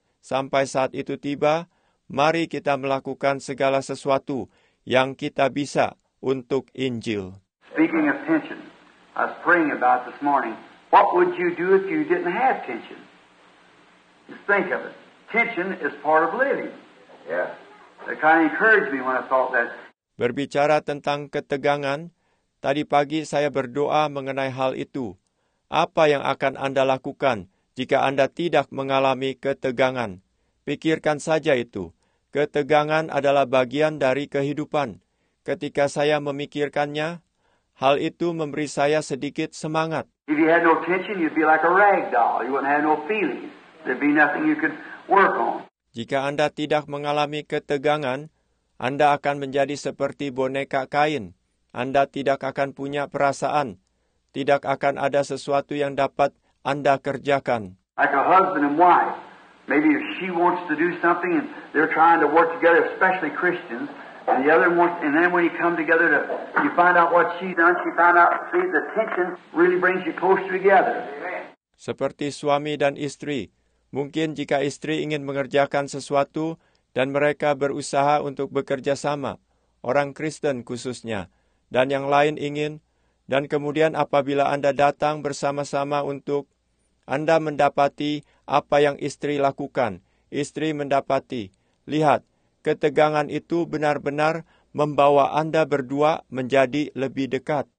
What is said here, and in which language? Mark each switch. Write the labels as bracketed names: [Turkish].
[Indonesian] Sampai saat itu tiba, mari kita melakukan segala sesuatu yang kita bisa untuk Injil. [English] Speaking of tension, I was praying about this morning. What would you do if you didn't have tension? Just think of it. Tension is part of living. Yeah. It kind of encouraged me when I thought that. [Indonesian] Berbicara tentang ketegangan, tadi pagi saya berdoa mengenai hal itu. Apa yang akan Anda lakukan jika Anda tidak mengalami ketegangan? Pikirkan saja itu. Ketegangan adalah bagian dari kehidupan. Ketika saya memikirkannya, hal itu memberi saya sedikit semangat. [English] If you had no tension, you'd be like a rag doll. You wouldn't have no feelings. There'd be nothing you could work on. [Indonesian] Jika Anda tidak mengalami ketegangan, Anda akan menjadi seperti boneka kain. Anda tidak akan punya perasaan. Tidak akan ada sesuatu yang dapat Anda kerjakan. [English] Like a husband and wife. Maybe if she wants to do something and they're trying to work together, especially Christians, and the other wants, and then when you come together to you find out what she's done, she found out, see, the tension really brings you closer together. [Indonesian] Seperti suami dan istri. Mungkin jika istri ingin mengerjakan sesuatu dan mereka berusaha untuk bekerja sama, orang Kristen khususnya, dan yang lain ingin, dan kemudian apabila Anda datang bersama-sama untuk Anda mendapati apa yang istri lakukan, istri mendapati, lihat, ketegangan itu benar-benar membawa Anda berdua menjadi lebih dekat.